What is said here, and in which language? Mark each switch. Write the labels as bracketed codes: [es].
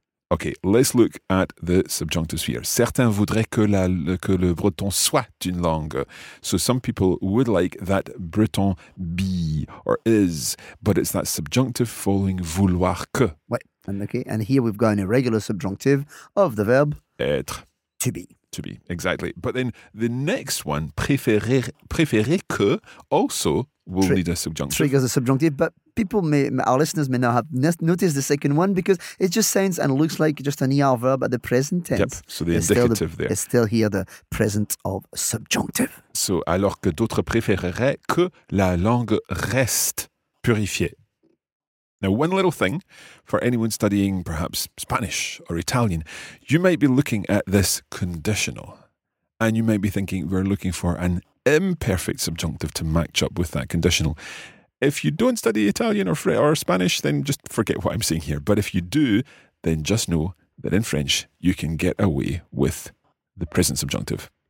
[en] Okay, let's look at the subjunctives here. [fr] Certains voudraient que le breton soit une langue. [en] So some people would like that breton be or is, but it's that subjunctive following vouloir que. [fr] Ouais. [en] And okay, and here we've got an irregular subjunctive of the verb [fr] être. [en] To be. To be, exactly. But then the next one, préférer que, also will need a subjunctive. Triggers a subjunctive, but people may, our listeners may not have noticed the second one because it just sounds and looks like just an ER verb at the present tense. Yep, so the indicative there. It's still here, the present of subjunctive. [fr] So, alors que d'autres préféreraient que la langue reste purifiée. [en] Now, one little thing for anyone studying perhaps Spanish or Italian, you might be looking at this conditional and you might be thinking we're looking for an imperfect subjunctive to match up with that conditional. If you don't study Italian or Spanish, then just forget what I'm saying here. But if you do, then just know that in French, you can get away with the present subjunctive.